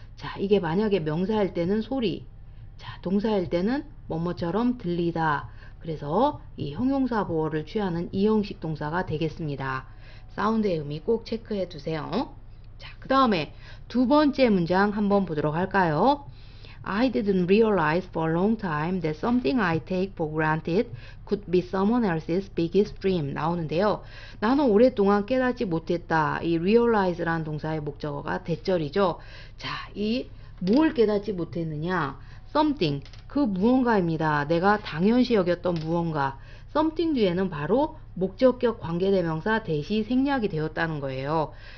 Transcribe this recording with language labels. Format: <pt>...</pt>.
<ko>자, 이게 만약에 명사일 때는 소리. 자, 동사일 때는 뭐뭐처럼 들리다. 그래서 이 형용사 보호를 취하는 이형식 동사가 되겠습니다. 사운드의 의미 꼭 체크해 두세요. 자, 그 다음에 두 번째 문장 한번 보도록 할까요?</ko> <en>I didn't realize for a long time that something I take for granted could be someone else's biggest dream.</en> <ko>나오는데요. 나는 오랫동안 깨닫지 못했다. 이 realize라는 동사의 목적어가 대절이죠. 자, 이뭘 깨닫지 못했느냐? Something, 그 무언가입니다. 내가 당연시 여겼던 무언가. Something 뒤에는 바로 목적격 관계대명사 대시 생략이 되었다는 거예요.</ko>